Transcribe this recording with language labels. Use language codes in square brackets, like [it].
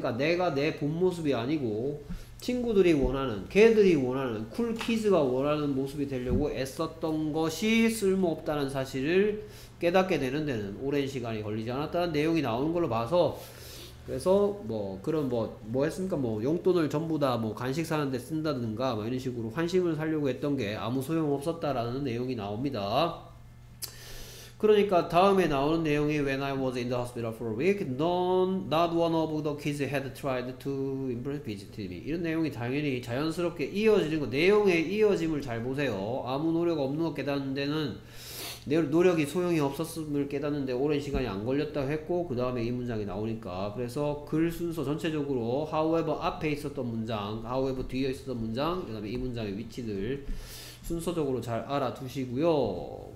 [ko] 그러니까 내가 내본 모습이 아니고 친구들이 원하는, 걔들이 원하는, 쿨 키즈가 원하는 모습이 되려고 애썼던 것이 쓸모없다는 사실을 깨닫게 되는 데는 오랜 시간이 걸리지 않았다는 내용이 나오는 걸로 봐서 그래서 뭐 그런 뭐 했습니까? 뭐 용돈을 전부 다뭐 간식 사는 데 쓴다든가 뭐 이런 식으로 환심을 살려고 했던 게 아무 소용없었다라는 내용이 나옵니다. 그러니까 다음에 나오는 내용이 [en] When I was in the hospital for a week, none, not one of the kids had tried to impress visit me. [ko] 이런 내용이 당연히 자연스럽게 이어지는 거. 내용의 이어짐을 잘 보세요. 아무 노력 없는 거 깨닫는 데는 노력이 소용이 없었음을 깨닫는 데 오랜 시간이 안 걸렸다고 했고 그 다음에 이 문장이 나오니까 그래서 글 순서 전체적으로 however 앞에 있었던 문장, however 뒤에 있었던 문장, 그다음에 이 문장의 위치들 순서적으로 잘 알아두시고요.